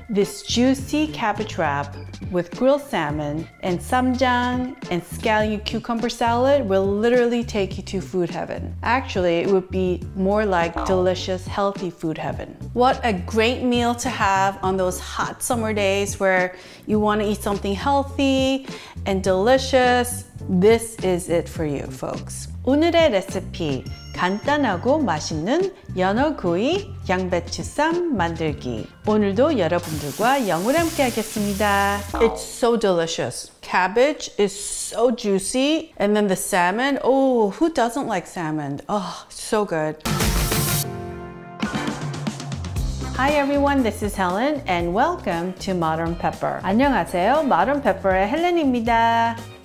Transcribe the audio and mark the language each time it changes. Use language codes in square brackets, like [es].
[en] This juicy cabbage wrap with grilled salmon and SsamJang and scallion-cucumber salad will literally take you to food heaven. Actually, it would be more like delicious, healthy food heaven. What a great meal to have on those hot summer days where you want to eat something healthy and delicious. This is it for you, folks. [ko] 오늘의 레시피, 간단하고 맛있는 연어구이 양배추쌈 만들기. 오늘도 여러분들과 영어를 함께 하겠습니다. [en] It's so delicious. Cabbage is so juicy. And then the salmon, oh, who doesn't like salmon? Oh, so good. Hi everyone, this is Helen and welcome to Modern Pepper. [ko] 안녕하세요, Modern Pepper의 헬렌입니다.